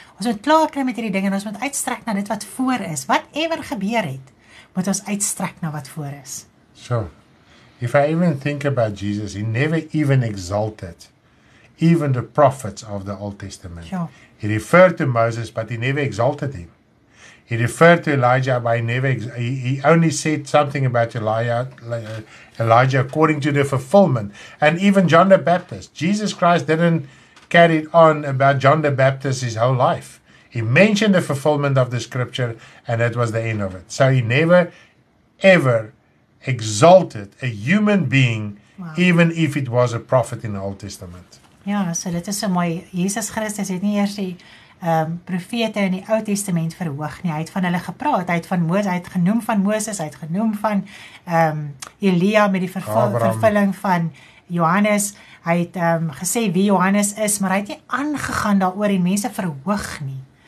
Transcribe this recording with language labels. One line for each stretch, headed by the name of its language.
Afrikaans: Ons moet klaar kry met hierdie dinge en ons moet uitstrek na dit wat voor is. Whatever gebeur het, moet ons uitstrek na wat voor is.
English: So, if I even think about Jesus, he never even exalted even the prophets of the Old Testament. Sure. He referred to Moses, but he never exalted him. He referred to Elijah, but he only said something about Elijah according to the fulfillment. And even John the Baptist. Jesus Christ didn't carry on about John the Baptist his whole life. He mentioned the fulfillment of the scripture, and that was the end of it. So he never, ever exalted a human being, wow. even if it was a prophet in the Old Testament.
Afrikaans: Ja, so dit is so mooi. Jesus Christus het nie eers die profete in die Ou Testament verhoog nie. Hy het van hulle gepraat. Hy het van Moses, hy het genoem van Moses, hy het genoem van Elia met die vervulling van Johannes. Hy het gesê wie Johannes is, maar hy het nie aangegaan daaroor en mense verhoog nie.